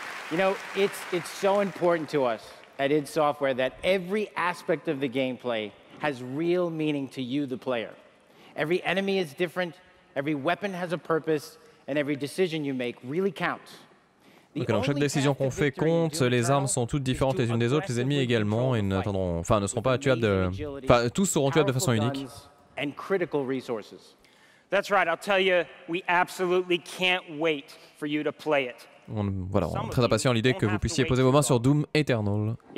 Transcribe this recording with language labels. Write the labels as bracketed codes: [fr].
[en] You know, it's so important to us at id Software that every aspect of the gameplay has real meaning to you, the player. Every enemy is different, every weapon has a purpose, and every decision you make really counts. [fr] Okay, donc chaque décision qu'on fait compte, les armes sont toutes différentes les unes des autres, les ennemis également, et ne seront pas tuables de... Enfin, tous seront tuables de façon unique. [en] And critical resources. That's right, I'll tell you, we absolutely can't wait for you to play it. [fr] Voilà, on est très impatient à l'idée que vous puissiez poser vos mains sur Doom Eternal.